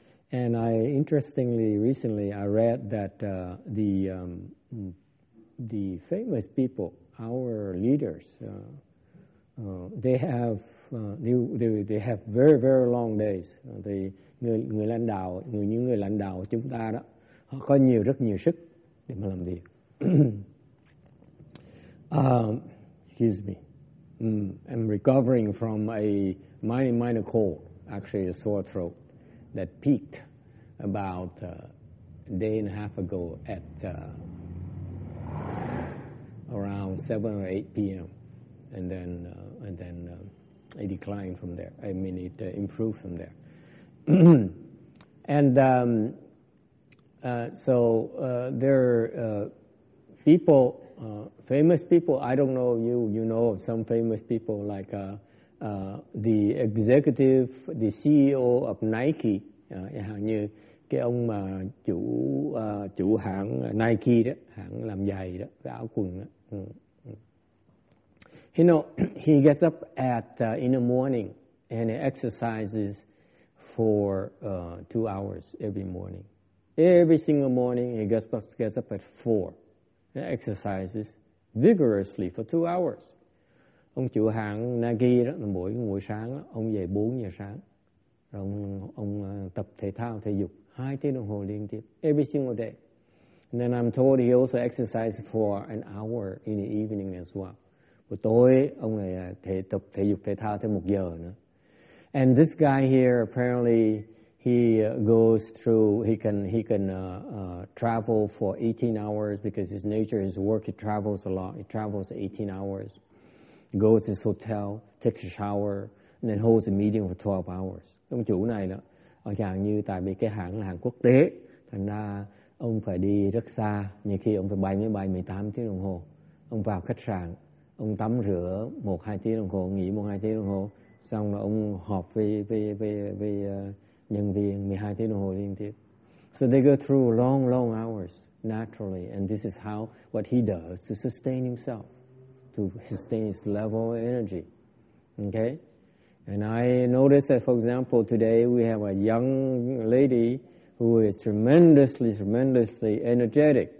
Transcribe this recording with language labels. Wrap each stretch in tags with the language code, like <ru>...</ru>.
<en>And I interestingly recently I read that the famous people, our leaders, they have very very long days.</en> <vi>The người lãnh đạo, những người lãnh đạo chúng ta đó, họ có nhiều rất nhiều sức để mà làm việc.</vi> <en>excuse me, I'm recovering from a minor cold, actually a sore throat that peaked about a day and a half ago at around 7 or 8 p.m. And then it declined from there. I mean, it improved from there. And there are people, famous people. I don't know if you know of some famous people like the executive, the CEO of Nike,</en> <vi>hàng như cái ông mà chủ chủ hãng Nike đó, hãng làm giày đó, cái áo quần đó.</vi> <en>You know, he gets up at in the morning and he exercises for 2 hours every morning. Every single morning he gets up at 4 and exercises vigorously for 2 hours.</en> <vi>Ông chủ hãng Nike đó là mỗi buổi sáng đó, ông dậy 4 giờ sáng. Rồi ông tập thể thao thể dục 2 tiếng đồng hồ liên tiếp,</vi> <en>every single day. And then I'm told he also exercises for an hour in the evening as well.</en> <vi>Buổi tối ông này thể tập thể dục thể thao thêm 1 giờ nữa.</vi> <en>And this guy here apparently he goes through, he can travel for 18 hours because his nature, his work, he travels a lot. He travels 18 hours, goes to his hotel, takes a shower, and then holds a meeting for 12 hours.</en> <vi>Ông chủ này đó, ở dạng như tại vì cái hãng là hãng quốc tế, thành ra ông phải đi rất xa, nhiều khi ông phải bay máy bay 18 tiếng đồng hồ. Ông vào khách sạn, ông tắm rửa 1-2 tiếng đồng hồ, nghỉ 1-2 tiếng đồng hồ, xong rồi ông họp với nhân viên 12 tiếng đồng hồ liên tiếp.</vi> <en>So they go through long, long hours naturally, and this is how what he does to sustain himself, to sustain his level of energy. Okay? And I noticed that, for example, today we have a young lady who is tremendously, tremendously energetic.</en>